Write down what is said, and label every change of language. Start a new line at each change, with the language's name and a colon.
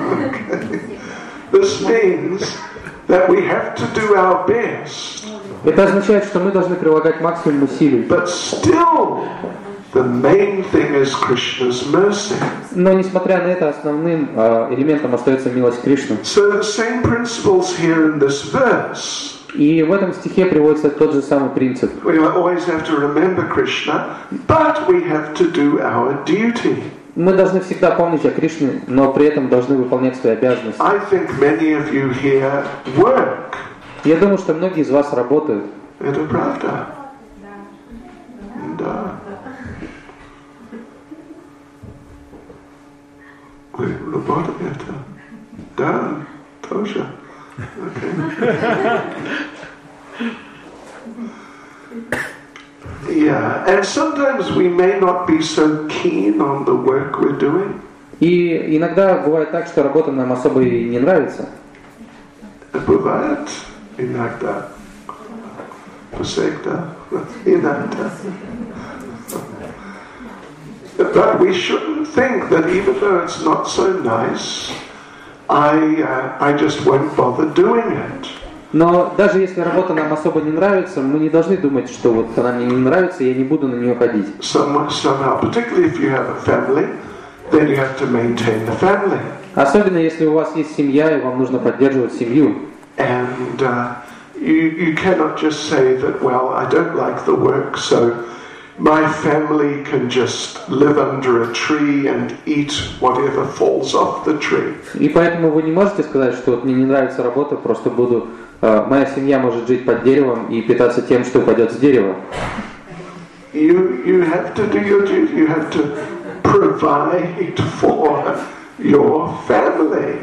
English: This means that we have to do our best.
Russian: Это означает, что мы должны прилагать максимум усилий.
English: But still, the main thing is Krishna's mercy.
Russian: Но несмотря на это, основным элементом остается милость Кришны.
English: So the same principles here in this verse.
Russian: И в этом стихе приводится тот же самый принцип.
English: We always have to remember Krishna, but we have to do our duty.
Russian: Мы должны всегда помнить о Кришне, но при этом должны выполнять свои обязанности.
English: I think many of you here work.
Russian: Я думаю, что многие из вас работают. Это правда. Да. Вы работаете? Да, тоже.
English: Okay. Yeah, and sometimes we may not be so keen on the work we're doing.
Russian: И иногда бывает так, что работа нам особо и не нравится. Бывает иногда. Всегда. Иногда.
English: But we shouldn't think that even though it's not so nice, I just won't bother doing it.
Russian: Но даже если работа нам особо не нравится, мы не должны думать, что вот она мне не нравится, я не буду на нее ходить.
English: Somehow, particularly if you have a family, then you have to maintain the family.
Russian: Особенно если у вас есть семья и вам нужно поддерживать семью.
English: And you cannot just say that, well, I don't like the work, so my family can just live under a tree and eat whatever falls off the tree.
Russian: И поэтому вы не можете сказать, что вот мне не нравится работа, просто буду. Моя семья может жить под деревом и питаться тем, что упадет с дерева.
English: You have to do your duty. You have to provide for your family.